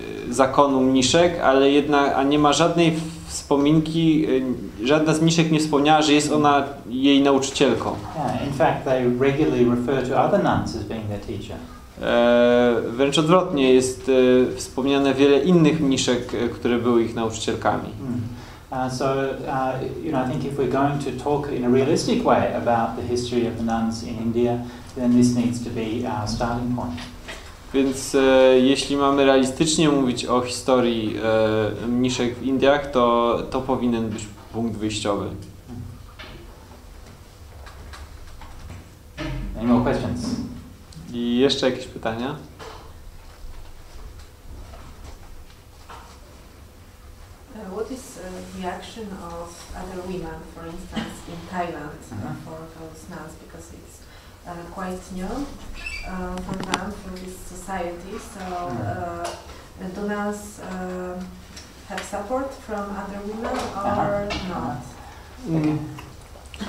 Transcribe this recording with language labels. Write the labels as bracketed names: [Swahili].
[Polish] zakonu mniszek, ale jednak, a nie ma żadnej wspominki, żadna z mniszek nie wspomniała, że jest ona jej nauczycielką. [English] Yeah, in fact, they regularly refer to other nuns as being their teacher. [Polish] Wręcz odwrotnie, jest wspomniane wiele innych mniszek, które były ich nauczycielkami. [English] I think if we're going to talk in a realistic way about the history of the nuns in India, then this needs to be our starting point. [Polish] Więc jeśli mamy realistycznie mówić o historii mniszek w Indiach, to to powinien być punkt wyjściowy. [English] Any more questions? [Polish] I jeszcze jakieś pytania? [English] What is the reaction of other women, for instance, in Thailand, for those nuns, because it's quite new for them, for this society. So, do nuns have support from other women or not?